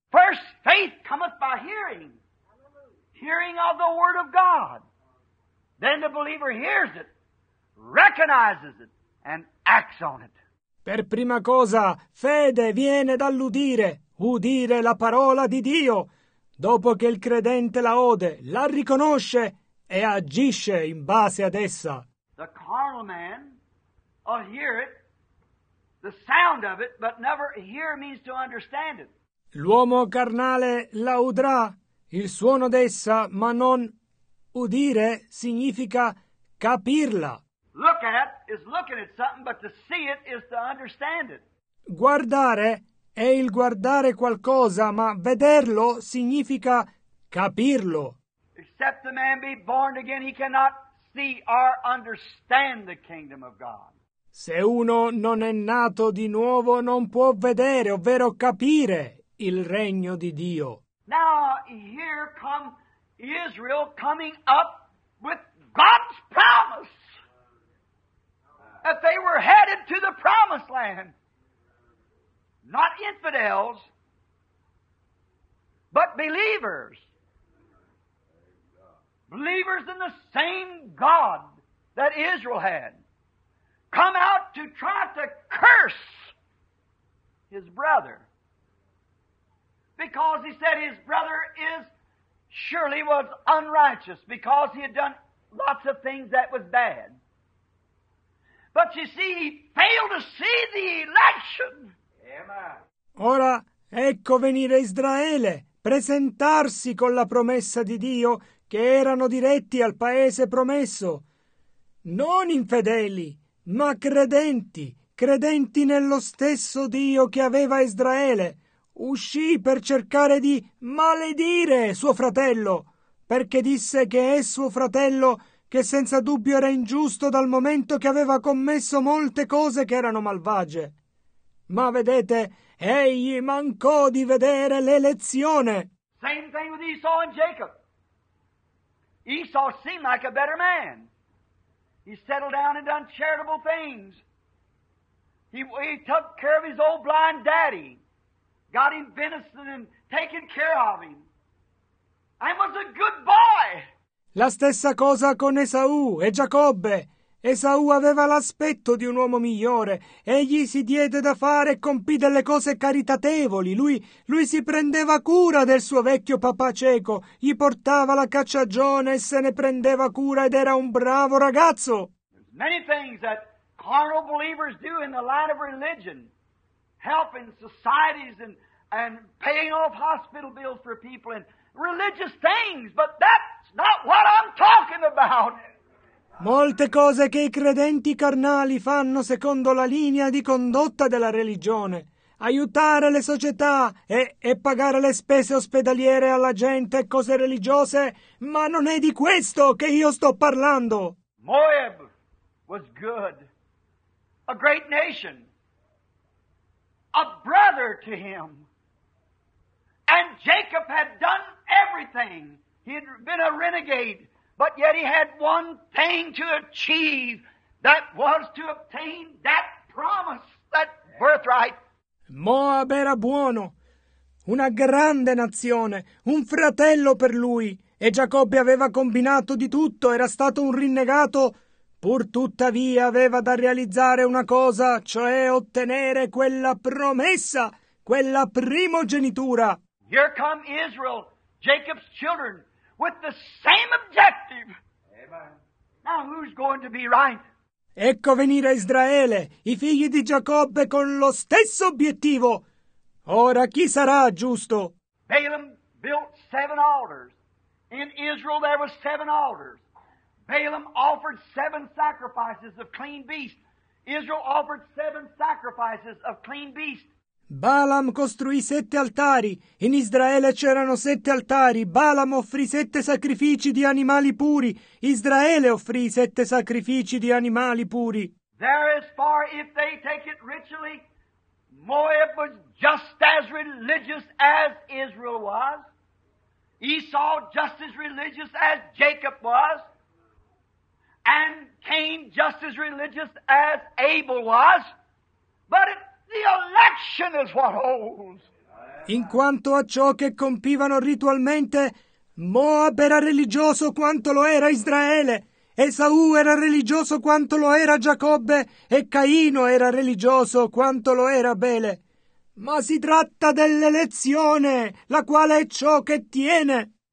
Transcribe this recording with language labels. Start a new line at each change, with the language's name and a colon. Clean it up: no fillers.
English: First faith cometh by hearing. Hearing of the word of God. Then the believer hears it, recognizes it, and acts on it.
Italian: Per prima cosa, fede viene dall'udire, udire la parola di Dio. Dopo che il credente la ode, la riconosce e agisce in base ad essa.
English: The carnal man will hear it, the sound of it, but never hear means to understand it.
Italian: L'uomo carnale la udrà, il suono d'essa, ma non udire significa capirla.
English: Look at is looking at something, but to see it is to understand it.
Italian: Guardare è il guardare qualcosa, ma vederlo significa capirlo.
English: Except the man be born again, he cannot see or understand the kingdom of God.
Italian: Se uno non è nato di nuovo, non può vedere, ovvero capire, il regno di Dio.
English: Now here come Israel coming up with God's promise. That they were headed to the promised land. Not infidels, but believers. Believers in the same God that Israel had. Come out to try to curse his brother. Because he said his brother is surely was unrighteous because he had done lots of things that was bad. But you see, he failed to see the election.
Italian: Ora, ecco venire Israele, presentarsi con la promessa di Dio che erano diretti al paese promesso. Non infedeli, ma credenti, credenti nello stesso Dio che aveva Israele. Uscì per cercare di maledire suo fratello, perché disse che è suo fratello che senza dubbio era ingiusto dal momento che aveva commesso molte cose che erano malvagie. Ma vedete, egli mancò di vedere l'elezione.
English: Same thing with Esau and Jacob. Esau seemed like a better man. He settled down and done charitable things. He took care of his old blind daddy. Got him venison and taken care of him. And was a good boy.
Italian: La stessa cosa con Esau e Giacobbe. Esaù aveva l'aspetto di un uomo migliore. Egli si diede da fare e compì delle cose caritatevoli. Lui si prendeva cura del suo vecchio papà cieco, gli portava la cacciagione e se ne prendeva cura ed era un bravo ragazzo.
English: Many things that carnal believers do in the light of religion, helping societies and paying off hospital bills for people and religious things, but that's not what I'm talking about.
Italian: Molte cose che i credenti carnali fanno secondo la linea di condotta della religione. Aiutare le società e pagare le spese ospedaliere alla gente e cose religiose. Ma non è di questo che io sto parlando.
English: Moab was good. A great nation. A brother to him. And Jacob had done everything. He had been a renegade. But yet he had one thing to achieve, that was to obtain that promise, that birthright.
Italian: Moab era buono, una grande nazione, un fratello per lui, e Giacobbe aveva combinato di tutto, era stato un rinnegato, pur tuttavia aveva da realizzare una cosa, cioè ottenere quella promessa, quella primogenitura.
English: Here come Israel, Jacob's children. With the same objective. Amen. Now who's going to be right?
Italian: Ecco venire Israele, i figli di Giacobbe con lo stesso obiettivo. Ora chi sarà giusto?
English: Balaam built 7 altars. In Israel there were 7 altars. Balaam offered 7 sacrifices of clean beasts. Israel offered 7 sacrifices of clean beasts.
Italian: Balaam costruì 7 altari. In Israele c'erano 7 altari. Balaam offrì 7 sacrifici di animali puri. Israele offrì 7 sacrifici di animali puri.
English: There as far if they take it ritually, Moab was just as religious as Israel was. Esau just as religious as Jacob was. And Cain just as religious as Abel was. But it The election is what holds.
Italian: In quanto a ciò che compivano ritualmente, Moab era religioso quanto lo era Israele, Esaù era religioso quanto lo era Giacobbe, e Caino era religioso quanto lo era Abele. Ma si tratta dell'elezione, la quale è ciò che tiene.